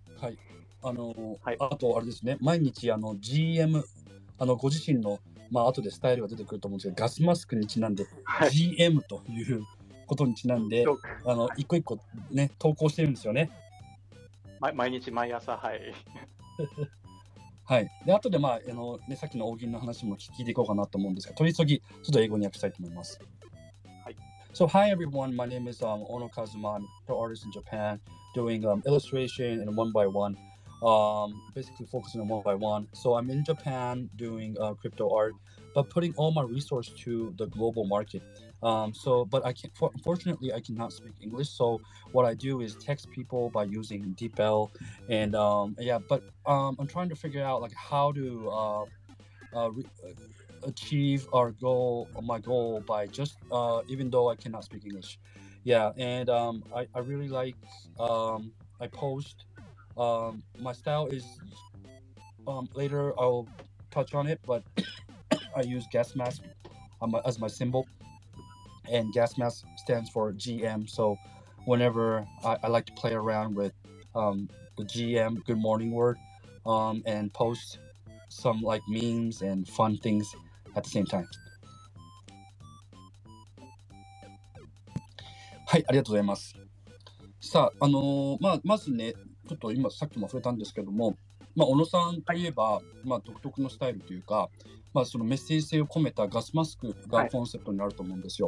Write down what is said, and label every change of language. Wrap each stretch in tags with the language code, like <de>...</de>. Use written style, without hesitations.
<ja>はい、はい、あとあれですね、毎日あの GM、 あのご自身のまあ後でスタイルが出てくると思うんですけど、ガスマスクにちなんで GM ということにちなんで、はい、あの一個一個ね投稿してるんですよね。毎日毎朝、はい。はい、で後でまあ、ね、さっきの大喜利の話も聞いていこうかなと思うんですが、取り急ぎちょっと英語に訳したいと思います。はい、</ja> <en>So hi everyone, my name is Ono Kazuma, the artist in Japan doing illustration and one by one. Basically focusing on one by one. So I'm in Japan doing crypto art, but putting all my resources to the global market. But I can't, unfortunately, I cannot speak English. So what I do is text people by using DeepL. And I'm trying to figure out like how to achieve our goal, my goal by just, even though I cannot speak English. Yeah, and I really like, I post,my style is, later I'll touch on it, but I use gas mask as my symbol, and gas mask stands for GM. So whenever I like to play around with the GM Good Morning World, and post some like memes and fun things at the same time.</en> <ja>はい、ありがとうございます。さあ、まあ、まずね、ちょっと今さっきも触れたんですけども、まあ、小野さんといえば、まあ、独特のスタイルというか、まあ、そのメッセージ性を込めたガスマスクがコンセプトになると思うんですよ。</ja>